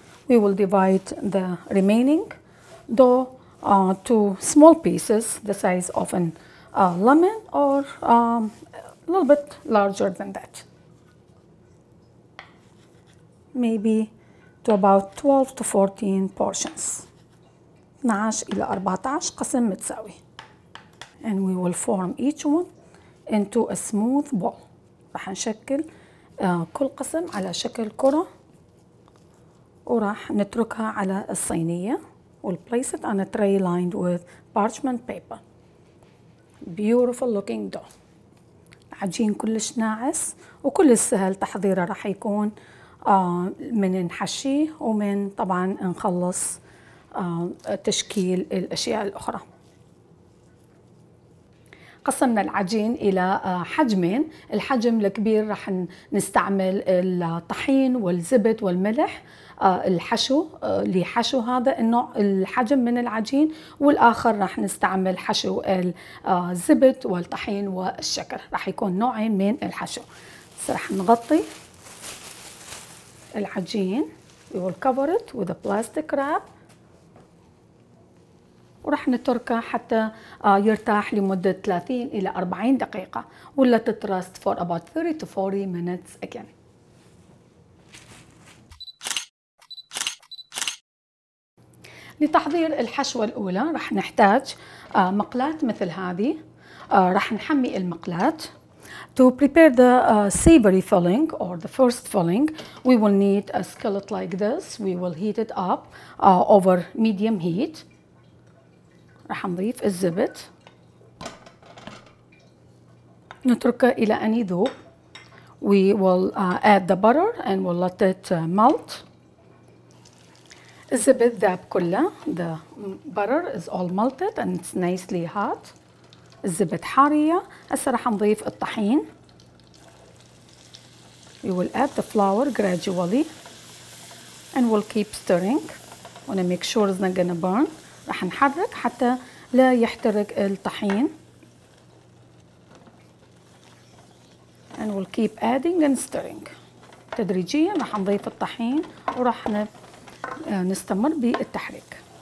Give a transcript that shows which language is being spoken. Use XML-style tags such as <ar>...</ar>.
<en>We will divide the remaining dough to small pieces the size of a lemon or a little bit larger than that. Maybe to about 12 to 14 portions.</en> <ar>12 إلى 14 قسم متساوي.</ar> <en>And we will form each one into a smooth ball.</en> <ar>رح نشكل كل قسم على شكل كرة. وراح نتركها على الصينية.</ar> <en>We'll place it on a tray lined with parchment paper. Beautiful looking dough.</en> <ar>عجين كلش ناعس وكل السهل تحضيره راح يكون من نحشيه ومن طبعا نخلص تشكيل الأشياء الأخرى. قسمنا العجين إلى حجمين. الحجم الكبير راح نستعمل الطحين والزبد والملح الحشو لحشو هذا النوع الحجم من العجين، والآخر راح نستعمل حشو الزبد والطحين والشكر. راح يكون نوعين من الحشو. راح نغطي العجين.</ar> <en>We will cover it with a plastic wrap.</en> <ar>ورح نتركه حتى يرتاح لمدة 30 إلى 40 دقيقة. ولا تترست</ar> <en>for about 30 to 40 minutes again.</en> <ar>لتحضير الحشوة الأولى رح نحتاج مقلاة مثل هذه. رح نحمي المقلاة.</ar> <en>To prepare the savory filling or the first filling, we will need a skillet like this. We will heat it up over medium heat.</en> <ar>رح نضيف الزبد. نتركه إلى أن يذوب.</ar> <en>We will add the butter and we'll let it melt.</en> <ar>الزبد ذاب كله.</ar> <en>The butter is all melted and it's nicely hot.</en> <ar>الزبد حارية. هسه رح نضيف الطحين.</ar> <en>We will add the flour gradually and we'll keep stirring. Wanna make sure it's not gonna burn.</en> <ar>رح نحرك حتى لا يحترق الطحين.</ar> <en>And we'll keep adding and stirring.</en> <ar>تدريجيا رح نضيف الطحين ورح نستمر بالتحريك.</ar>